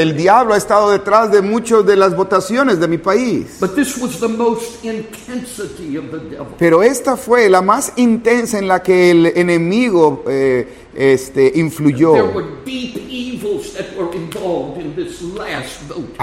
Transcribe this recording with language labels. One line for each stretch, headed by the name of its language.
Spanish: El diablo ha estado detrás de muchas de las votaciones de mi país.
English: But this was the most intensity of the devil.
Spanish: Pero esta fue la más intensa en la que el enemigo influyó.
English: There were deep evils that were involved in this last vote.